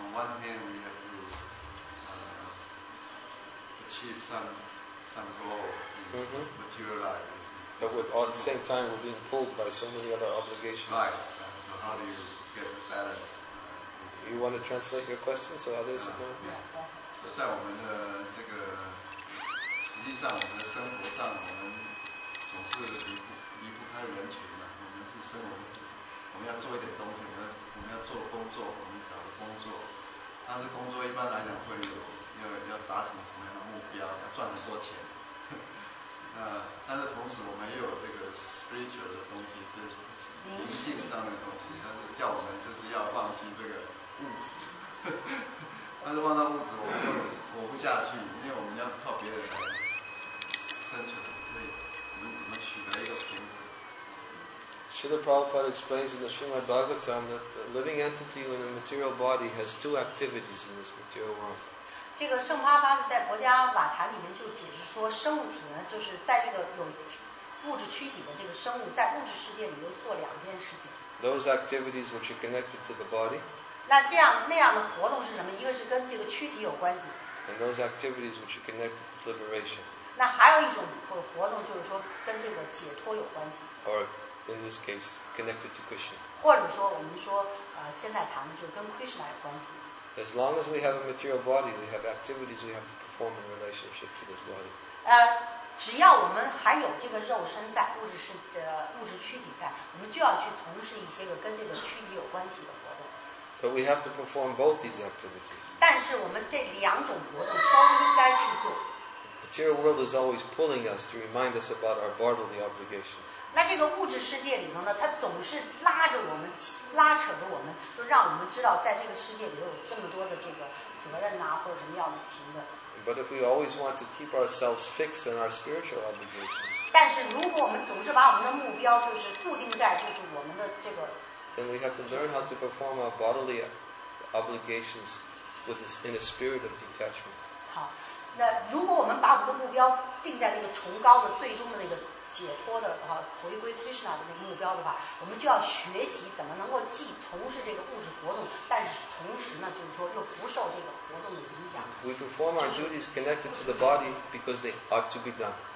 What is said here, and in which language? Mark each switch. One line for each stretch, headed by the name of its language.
English: On one hand, we have to achieve some goal in material life. But at the same time, we're being pulled by so many other obligations. Right. So how do you get the balance? You want to translate your question so others can? Yeah.
Chinese: 在我们的这个实际上，我们的生活上，我们总是离不开人群。我们要做一点东西，我们要做工作，我们找个工作，但是工作一般来讲会有要达成什么样的目标，要赚很多钱。但是同时我们也有这个 spiritual 的东西，这灵性上的东西，但是叫我们就是要忘记这个物质。但是忘到物质，我们活不下去，因为我们要靠别人来生存，所以我们怎么取得一个平衡？
English: Srila Prabhupada explains in the Srimad Bhagavatam that the living entity in the material body has two activities in this material world.
Chinese: 这个圣巴巴在国家瓦坛里面就解释说，生物体呢，就是在这个有物质躯体的这个生物，在物质世界里又做两件事情。
English: Those activities which are connected to the body.
Chinese: 那这样那样的活动是什么？一个是跟这个躯体有关系。
English: And those activities which are connected to liberation.
Chinese: 那还有一种活动就是说跟这个解脱有关系。
English: Or in this case, connected to Krishna.
Chinese: 或者说我们说现在谈的就是跟 Krishna 有关系。
English: As long as we have a material body, we have activities we have to perform in relationship to this body.
Chinese: 只要我们还有这个肉身在物质躯体在，我们就要去从事一些个跟这个躯体有关系的活动。
English: But we have to perform both these activities.
Chinese: 但是我们这两种活动都应该去做。
English: The material world is always pulling us to remind us about our bodily obligations.
Chinese: 那这个物质世界里头呢，它总是拉着我们，拉扯着我们，就让我们知道，在这个世界里有这么多的这个责任啊，或者什么要履行的。
English: But if we always want to keep ourselves fixed in our spiritual obligations,
Chinese: 但是如果我们总是把我们的目标就是固定在就是我们的这个
English: ，then we have to learn how to perform our bodily obligations in a spirit of detachment.
Chinese: 好。那如果我们把我们的目标定在那个崇高的、最终的那个解脱的啊，回归 Krishna 的那个目标的话，我们就要学习怎么能够既从事这个物质活动，但是同时呢，就是说又不受这个活动的影响。
English: We perform our duties connected to the body because they ought to be done.